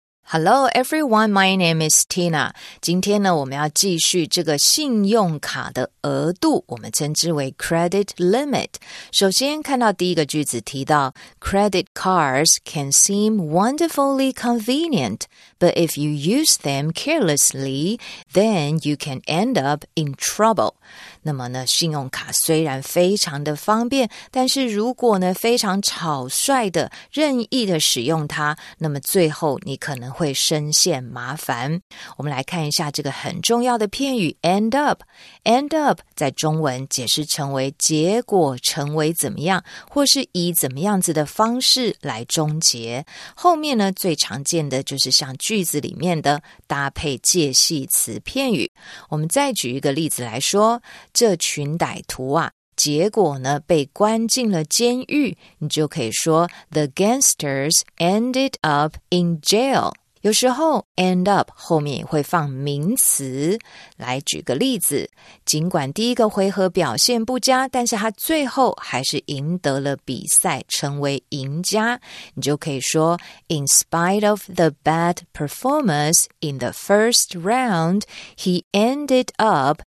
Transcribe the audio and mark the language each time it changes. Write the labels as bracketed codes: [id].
[en] Hello, everyone. My name is Tina. [zh] 今天呢，我们要继续这个信用卡的额度，我们称之为 credit limit. 首先看到第一个句子提到 [en] credit cards can seem wonderfully convenient, but if you use them carelessly, then you can end up in trouble. [zh] 那么呢，信用卡虽然非常的方便，但是如果呢非常草率的任意的使用它，那么最后你可能会深陷麻烦。我们来看一下这个很重要的片语 end up。end up 在中文解释成为结果成为怎么样，或是以怎么样子的方式来终结。后面呢最常见的就是像句子里面的搭配介系词片语。我们再举一个例子来说。这群歹徒啊，结果呢，被关进了监狱，你就可以说 [en] The gangsters ended up in jail. [zh] 有时候 end up 后面也会放名词。来举个例子，尽管第一个回合表现不佳，但是他最后还是赢得了比赛，成为赢家。你就可以说 [en] In spite of the bad performance in the first round, he ended up